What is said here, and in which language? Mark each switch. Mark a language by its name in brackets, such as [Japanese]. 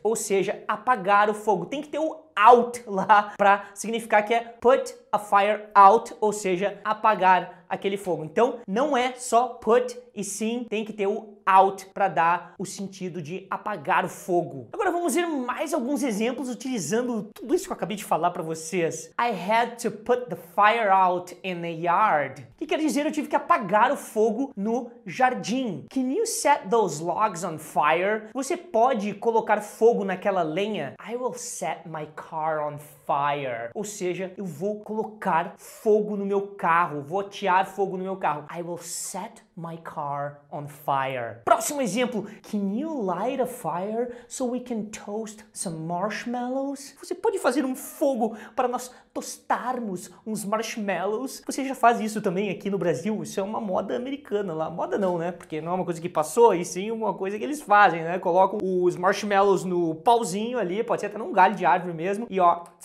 [Portuguese] Ou seja, apagar o fogo. Tem que ter o out lá para significar que é [English] put a fire out. [Portuguese] Ou seja, apagar aquele fogo. Então, não é só put e sim tem que ter o out para dar o sentido de apagar o fogo. Agora vamos ver mais alguns exemplos utilizando tudo isso que eu acabei de falar para vocês. [English] I had to put the fire out in the yard. [Portuguese] Que quer dizer eu tive que apagar o fogo no jardim. [English] Can you set those logs on fire? [Portuguese] Você pode colocar fogo naquela lenha? [English] I will set my car on fire. [Portuguese] Ou seja, eu vou colocar fogo no meu carro, vou atear fogo no meu carro. [English] I will set my car on fire. [Portuguese] Próximo exemplo. [English] Can you light a fire so we can toast some marshmallows? [Portuguese] Você pode fazer um fogo para nós tostarmos uns marshmallows? Você já faz isso também aqui no Brasil? Isso é uma moda americana lá. Moda não, né? Porque não é uma coisa que passou, e sim uma coisa que eles fazem, né? Colocam os marshmallows no pauzinho ali, pode ser até num galho de árvore mesmo, e ó...